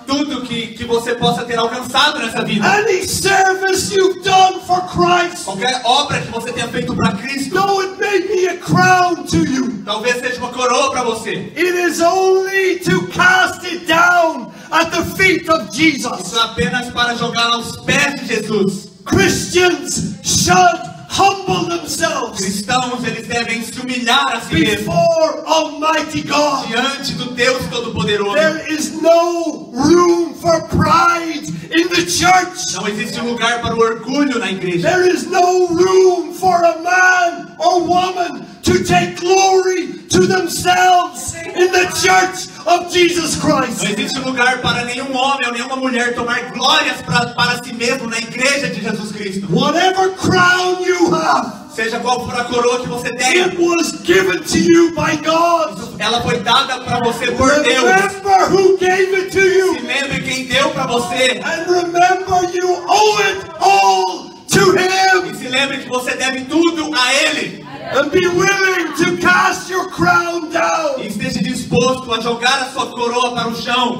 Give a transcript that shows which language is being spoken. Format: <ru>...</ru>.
<pt>Tudo que você possa ter alcançado nessa vida.</pt> <en>Any service you've done for Christ.</en> <pt>Qualquer obra que você tenha feito para Cristo.</pt> <en>No, it may be a crown to you.</en> <pt>Talvez seja uma coroa para você.</pt> <en>It is only to cast it down at the feet of Jesus.</en> <pt>Isso é apenas para jogar aos pés de Jesus.</pt> <en>Christians should humble themselves.</en> <pt>Cristãos, eles devem se humilhar a si mesmos.</pt> <en>Before Almighty God.</en> <pt>Diante do Deus Todo-Poderoso.</pt> <en>There is no room for pride in the church.</en> <pt>Não existe lugar para o orgulho na igreja.</pt> <en>There is no room for a man or woman to take glory to themselves in the church of Jesus Christ.</en> <pt>Não existe lugar para nenhum homem ou nenhuma mulher tomar glórias para si mesmo na igreja de Jesus Cristo.</pt> <en>Whatever crown you have,</en> <pt>seja qual for a coroa que você tem,</pt> <en>it was given to you by God.</en> <pt>Ela foi dada para você por</pt> <en>remember</en> <pt>Deus.</pt> <en>Remember who gave it to you.</en> <pt>Se lembre quem deu para você.</pt> <en>And remember you owe it all to Him.</en> <pt>E se lembre que você deve tudo a Ele.</pt> <en>And be willing to cast your crown down.</en> <pt>E esteja disposto a jogar a sua coroa para o chão.</pt>